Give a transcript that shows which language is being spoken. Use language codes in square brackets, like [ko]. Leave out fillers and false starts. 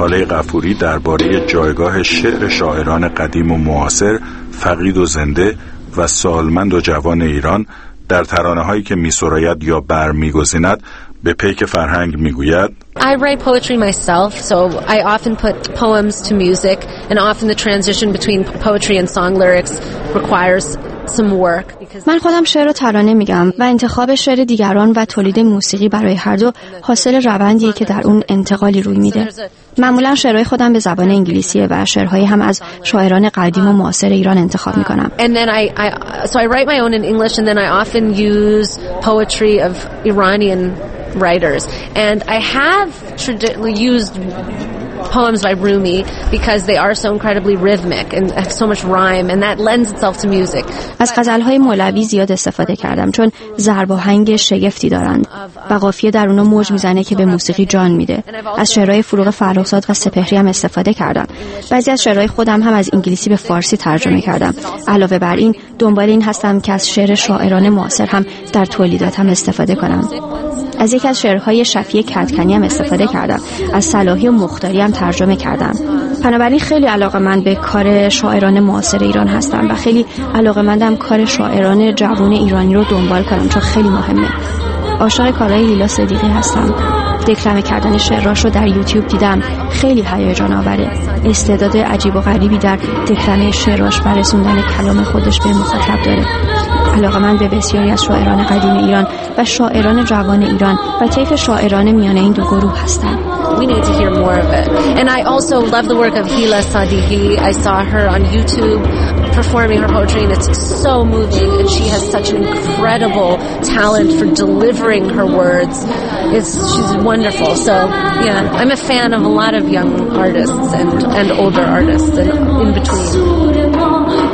[fa] غفوری درباره جایگاه شعر شاعران قدیم و معاصر، فقید و زنده و سالمند و جوان ایران در ترانه‌هایی که می‌سراید یا برمی‌گزیند به پیک فرهنگ می‌گوید: [en] I write poetry myself, so I often put poems to music, and often the transition between poetry and song lyrics requires some work. [fa] من خودم شعر و ترانه میگم و انتخاب شعر دیگران و تولید موسیقی برای هر دو حاصل روندیه که در اون انتقالی روی میده. معمولا شعرهای خودم به زبان انگلیسیه و شعرهای هم از شاعران قدیم و معاصر ایران انتخاب میکنم. [en] I write my own in English and then I often use poetry of Iranian writers, and I have traditionally used poems by Rumi because they are so incredibly rhythmic and have so much rhyme and that lends itself to music. [fa] از غزل‌های مولوی زیاد استفاده کردم چون ضرب و هنگ شگفتی دارند و قافیه در اونها موج میزنه که به موسیقی جان میده. از شعرهای فروغ فرخزاد و سپهری هم استفاده کردم. بعضی از شعرهای خودم هم از انگلیسی به فارسی ترجمه کردم. علاوه بر این دنبال این هستم که از شعر شاعران معاصر هم در تولیداتم استفاده کنم. از یک از شعرهای شفیع کدکنی هم استفاده کردم، از صلاحی و مختاری هم ترجمه کردم. بنابراین خیلی علاقمند به کار شاعران معاصر ایران هستم و خیلی علاقمندم کار شاعران جوان ایرانی رو دنبال کنم چون خیلی مهمه. عاشق کارهای لیلا صدیقی هستم. دکلمه کردن شعراش رو در یوتیوب دیدم، خیلی هیجان آوره. استعداد عجیب و غریبی در دکلمه شعراش و رسوندن کلام خودش به مخاطب داره. علاقه من به بسیاری از شاعران قدیم ایران و شاعران جوان ایران و طیف شاعران میان این دو گروه هستم. [en] We need to hear more of it. And I also love the work of Hila Sadighi. I saw her on YouTube performing her poetry and it's so moving and she has such an incredible talent for delivering her words. She's wonderful. So, yeah, I'm a fan of a lot of young artists and older artists and in between.